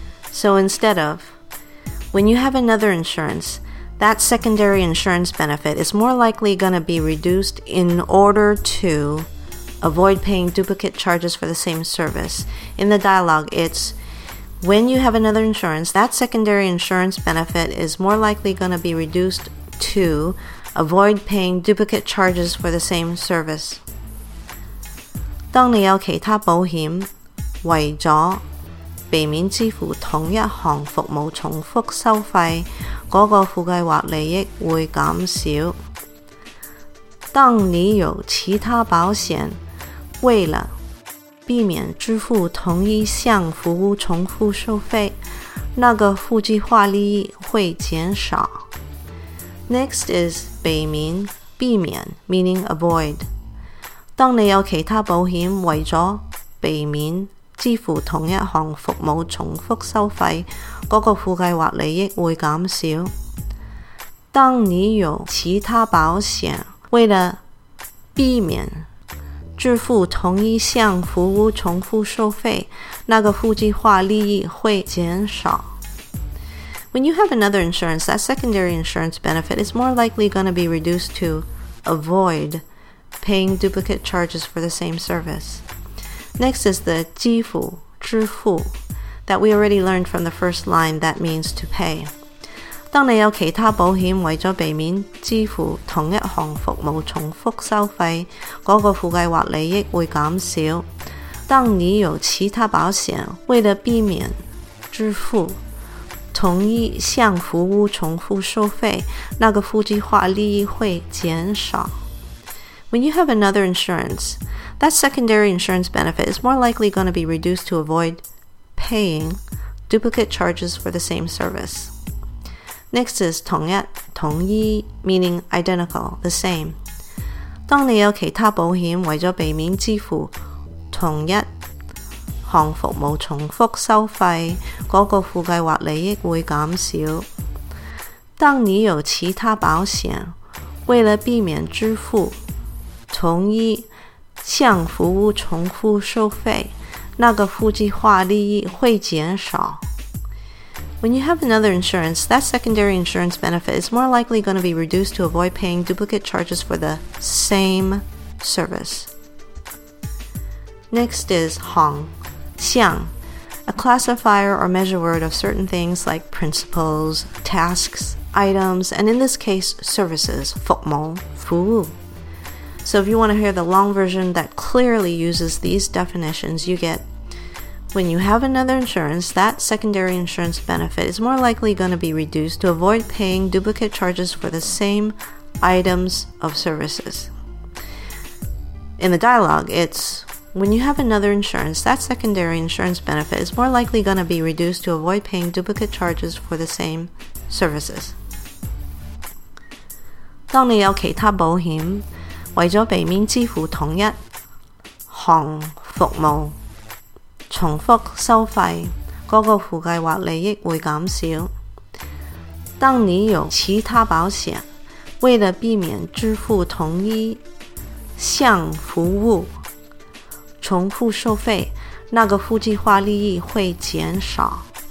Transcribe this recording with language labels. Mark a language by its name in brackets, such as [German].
[English] So instead of, when you have another insurance, that secondary insurance benefit is more likely going to be reduced in order toAvoid paying duplicate charges for the same service. In the dialogue, it's When you have another insurance, that secondary insurance benefit is more likely going to be reduced to avoid paying duplicate charges for the same service. [Chinese] 当你有其他保险，为了避免支付同一项服务重复收费，那个附计划利益会减少。当你有其他保险，为了避免支付同一项服务重复收费，那个附计划利益会减少。 [English] Next is 避免，避免 meaning avoid. [Chinese] 当你有其他保险，为了避免支付同一项服务重复收费，那个附计划利益会减少。当你有其他保险，为了避免支付同一项服务重复收费，那个附计划利益会减少。 [English] When you have another insurance, that secondary insurance benefit is more likely going to be reduced to avoid paying duplicate charges for the same service. Next is the 支付, 支付, that we already learned from the first line that means to pay. [Chinese] 当你有其他保险，为了避免支付同一项服务重复收费，那个附计划利益会减少。当你有其他保险，为了避免支付同一项服务重复收费，那个附计划利益会减少。 [English] When you have another insurance, that secondary insurance benefit is more likely going to be reduced to avoid paying duplicate charges for the same service. Next is 同一, 同一, meaning identical, the same. [Chinese] 当你有其他保险，为了避免支付同一项服务重复收费，那个附计划利益会减少。当你有其他保险，为了避免支付同一项服务重复收费，那个附计划利益会减少。 [English] When you have another insurance, that secondary insurance benefit is more likely going to be reduced to avoid paying duplicate charges for the same service. Next is 行 [Chinese] 项, [English] a classifier or measure word of certain things like principles, tasks, items, and in this case, services, 服务, 服务. So if you want to hear the long version that clearly uses these definitions, you get, when you have another insurance, that secondary insurance benefit is more likely going to be reduced to avoid paying duplicate charges for the same items of services. In the dialogue, it's,When you have another insurance, that secondary insurance benefit is more likely going to be reduced to avoid paying duplicate charges for the same services. [Chinese] 当你有其他保险，为了避免支付同一项服务重复收费，那个附计划利益会减少。当你有其他保险，为了避免支付同一项服务重复收费，那个附计划利益会减少。